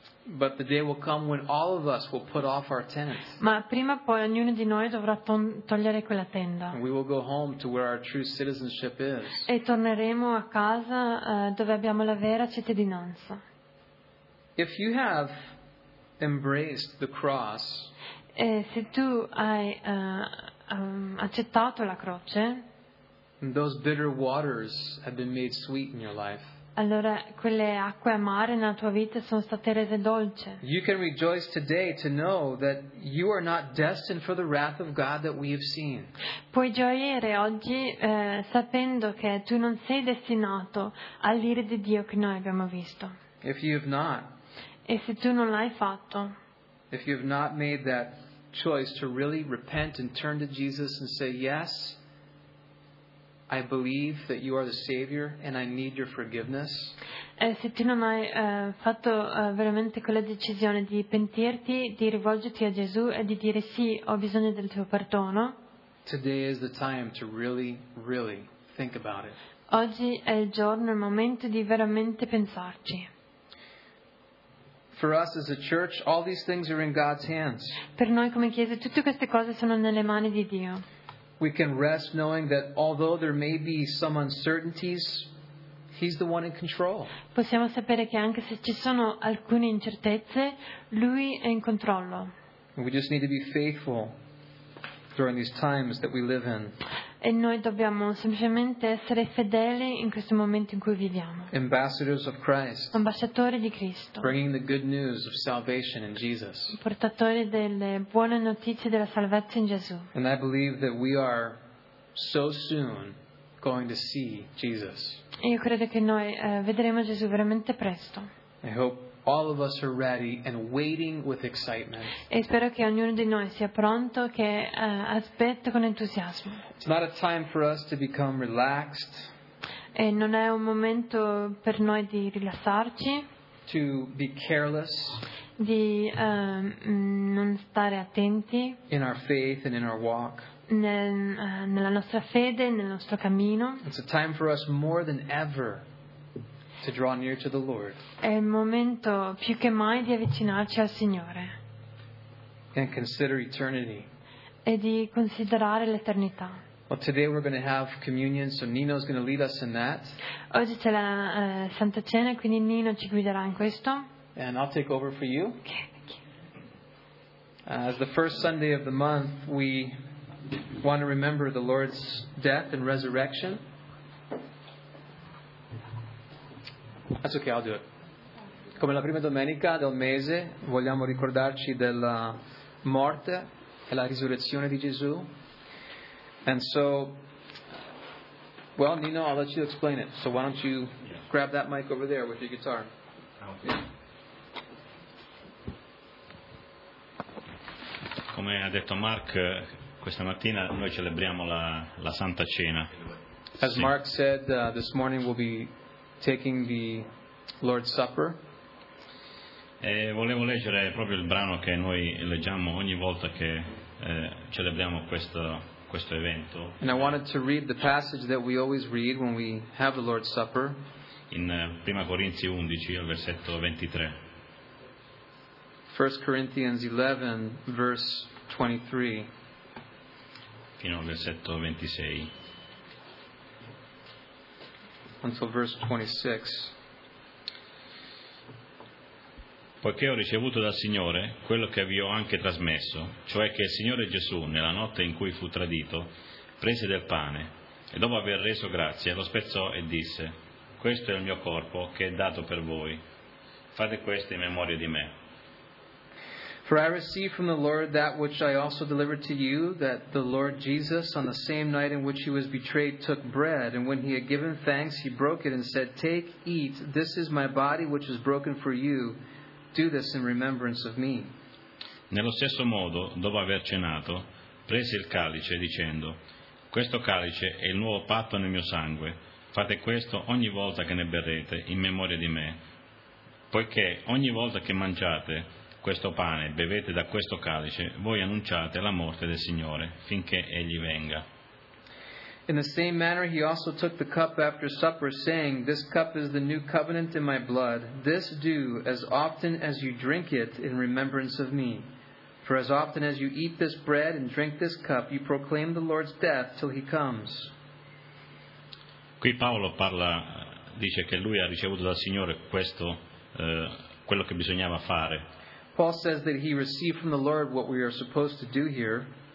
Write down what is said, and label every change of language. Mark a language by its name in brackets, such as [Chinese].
[English] But the day will come when all of us will put off our tents. [Italian] Ma prima o poi ognuno di noi dovrà togliere quella tenda. [English] We will go home to where our true citizenship is. [Italian] E torneremo a casa dove abbiamo la vera cittadinanza. [English] If you have embraced the cross, [Italian] se tu hai accettato la croce, [English] those bitter waters have been made sweet in your life. [Italian] Allora quelle acque amare nella tua vita sono state rese dolce. [English] You can rejoice today to know that you are not destined for the wrath of God that we have seen. [Italian] Puoi gioire oggi sapendo che tu non sei destinato all'ira di Dio che noi abbiamo visto. [English] If you have not, [Italian] e se tu non l'hai fatto, [English] if you have not made that choice to really repent and turn to Jesus and say yes, I believe that you are the Savior and I need your forgiveness. [Italian] Se tu non hai fatto veramente quella decisione di pentirti, di rivolgerti a Gesù e di dire sì, ho bisogno del tuo perdono. [English] Today is the time to really, really think about it. [Italian] Oggi è il giorno, il momento di veramente pensarci. [English] For us as a church, all these things are in God's hands. [Italian] Per noi come chiesa, tutte queste cose sono nelle mani di Dio. [English] We can rest knowing that although there may be some uncertainties, He's the one in control. [Italian] Possiamo sapere che anche se ci sono alcune incertezze, Lui è in controllo. [English] We just need to be faithful during these times that we live in. [Italian] E noi dobbiamo semplicemente essere fedeli in questo momento in cui viviamo. [English] Ambassadors of Christ. [Italian] Ambasciatori di Cristo. [English] Bringing the good news of salvation in Jesus. [Italian] Portatori delle buone notizie della salvezza in Gesù. [English] And I believe that we are so soon going to see Jesus. [Italian] Io credo che noi vedremo Gesù veramente presto. [English] I hope all of us are ready and waiting with excitement. [Italian] E spero che ognuno di noi sia pronto, che aspetta con entusiasmo. [English] It's not a time for us to become relaxed. [Italian] E non è un momento per noi di rilassarci. [English] To be careless. [Italian] Di non stare attenti. [English] In our faith and in our walk. [Italian] Nella nostra fede, nel nostro cammino. [English] It's a time for us more than ever to draw near to the Lord. [Italian] È il momento più che mai di avvicinarci al Signore. [English] And consider eternity. [Italian] E di considerare l'eternità. [English] Well, today we're going to have communion, so Nino's going to lead us in that. [Italian] Oggi c'è la Santa Cena, quindi Nino ci guiderà in questo. [English] And I'll take over for you. Okay. As the first Sunday of the month, we want to remember the Lord's death and resurrection. That's okay, I'll do it. [Italian] Come la prima domenica del mese, vogliamo ricordarci della morte e la risurrezione di Gesù. [English] And so, well, Nino, I'll let you explain it. So why don't you grab that mic over there with your guitar? [Italian] Come ha detto Mark, questa mattina noi celebriamo la Santa Cena. As sì. [English] Mark said, this morning we'll be taking the Lord's Supper. [Italian] E volevo leggere proprio il brano che noi leggiamo ogni volta che celebriamo questo evento. [English] And I wanted to read the passage that we always read when we have the Lord's Supper. [Italian] In Prima Corinzi 11, al versetto 23. [English] 1 Corinthians 11, verse 23. [Italian] Fino al versetto 26. [English] Until verse 26. [Italian] Poiché ho ricevuto dal Signore quello che vi ho anche trasmesso, cioè che il Signore Gesù, nella notte in cui fu tradito, prese del pane e dopo aver reso grazie, lo spezzò e disse: questo è il mio corpo che è dato per voi. Fate questo in memoria di me. [English] For I received from the Lord that which I also delivered to you, that the Lord Jesus, on the same night in which he was betrayed, took bread, and when he had given thanks, he broke it and said, take, eat, this is my body which is broken for you, do this in remembrance of me. [Italian] Nello stesso modo, dopo aver cenato, prese il calice dicendo, questo calice è il nuovo patto nel mio sangue, fate questo ogni volta che ne berrete, in memoria di me, poiché ogni volta che mangiate questo pane, bevete da questo calice, voi annunciate la morte del Signore finché egli venga. [English] In the same manner he also took the cup after supper, saying, this cup is the new covenant in my blood. This do as often as you drink it in remembrance of me. For as often as you eat this bread and drink this cup, you proclaim the Lord's death till he comes. [Italian] Qui Paolo parla, dice che lui ha ricevuto dal Signore questo, quello che bisognava fare. [English] Paul says that he received from the Lord what we are supposed to do here.